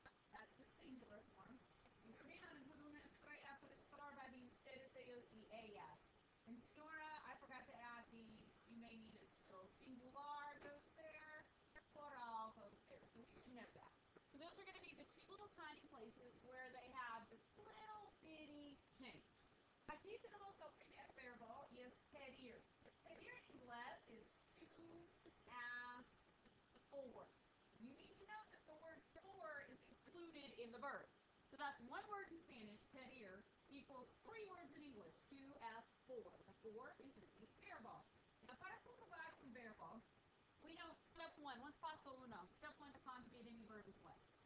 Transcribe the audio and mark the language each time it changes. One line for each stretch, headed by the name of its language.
English: That's the singular form. And come down and put
Spanish: una estrella,
English: put a star by the
Spanish: ustedes, ellos, y ellas.
English: And señora, I forgot to add the, you may need it still. Singular goes there, plural goes there. So we should know that. So those are going to be the two little tiny places where they have this little bitty change.
Spanish: Aquí tenemos el primer verbo, y es pedir.
English: Pedir in inglés is to ask for. You need to know that the word for is included in the verb. So that's one word in Spanish, pedir, equals three words in English, to ask for. The for is in the verbo. Now,
Spanish: para comprobar un verbo,
English: we know step one, once possible enough, step one to conjugate any verb is what?